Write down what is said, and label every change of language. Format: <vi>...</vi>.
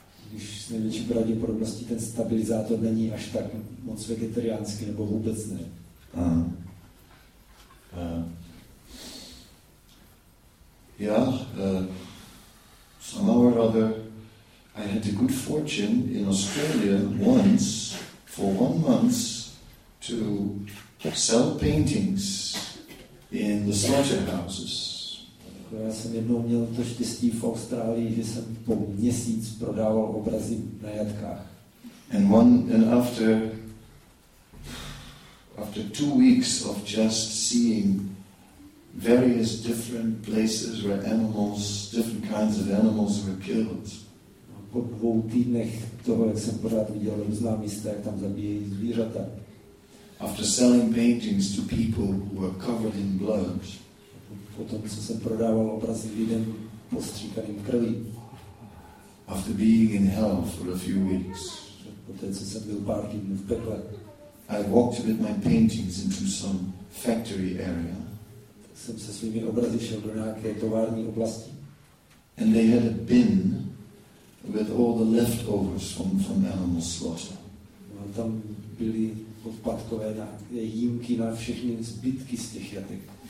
<cs>Když s největší pravděpodobností ten stabilizátor není až tak moc vegetariánský nebo vůbec ne.</cs> <en>Somehow or other, I had the good fortune in Australia once, for 1 month, to sell paintings in the slaughterhouses.</en> <cs>Já jsem jednou měl to štěstí v Austrálii, že jsem po měsíc prodával obrazy na jatkách.</cs> <en>And after 2 weeks of just seeing various different places where animals, different kinds of animals were killed.</en> <cs>Po dvou týdnech toho, jak jsem pořád viděl různá místa, jak tam zabíjejí zvířata.</cs> <en>After selling paintings to people who were covered in blood.</en> <cs>Potom, co jsem prodával obrazy lidem postříkaným krví.</cs> <en>After being in hell for a few weeks.</en> <cs>Poté, co jsem byl pár týdnů v pekle.</cs> <en>I walked with my paintings into some factory area.</en> <cs>Jsem se svými obrazy šel do nějaké tovární oblasti.</cs> <en>And they had a bin with all the leftovers from animal slaughter.</en> <cs>A tam byly odpadkové jímky na všechny zbytky z těch jatek.</cs>